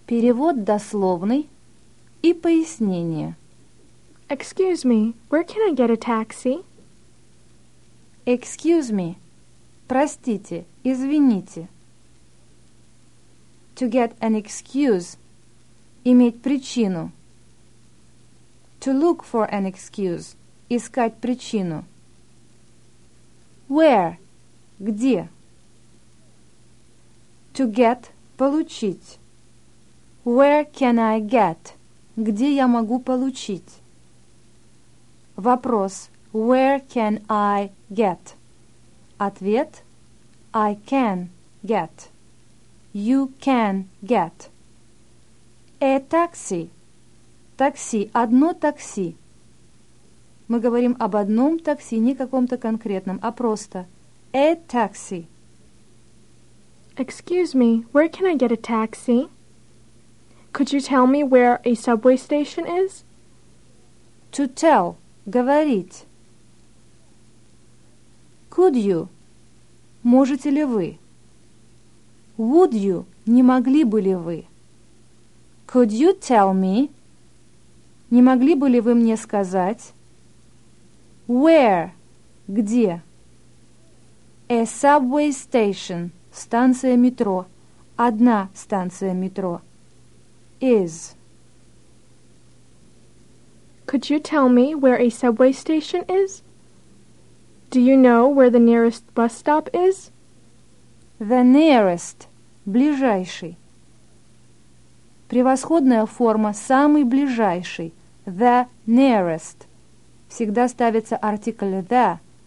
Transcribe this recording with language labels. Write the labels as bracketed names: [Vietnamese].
[Russian] Перевод дословный и пояснение. [English] Excuse me, where can I get a taxi? Excuse me. [Russian] Простите, извините. [English] To get an excuse. [Russian] Иметь причину. [English] To look for an excuse. [Russian] Искать причину. [English] Where? [Russian] Где? [English] To get. [Russian] Получить. [English] Where can I get? [Russian] Где я могу получить? Вопрос. [English] Where can I get? [Russian] Ответ. [English] I can get. You can get. A taxi. [Russian] Такси. Одно такси. Мы говорим об одном такси, не каком-то конкретном, а просто. [English] A taxi. Excuse me, where can I get a taxi? Could you tell me where a subway station is? To tell. [Russian] Говорить. [English] Could you? [Russian] Можете ли вы? [English] Would you? [Russian] Не могли бы ли вы? [English] Could you tell me? [Russian] Не могли бы ли вы мне сказать? [English] Where? [Russian] Где? [English] A subway station. [Russian] Станция метро. Одна станция метро. Is. [English] Could you tell me where a subway station is? Do you know where the nearest bus stop is? The nearest. [Russian] Ближайший. Превосходная форма «самый ближайший». [English] The nearest. [Russian] Всегда ставится артикль «the».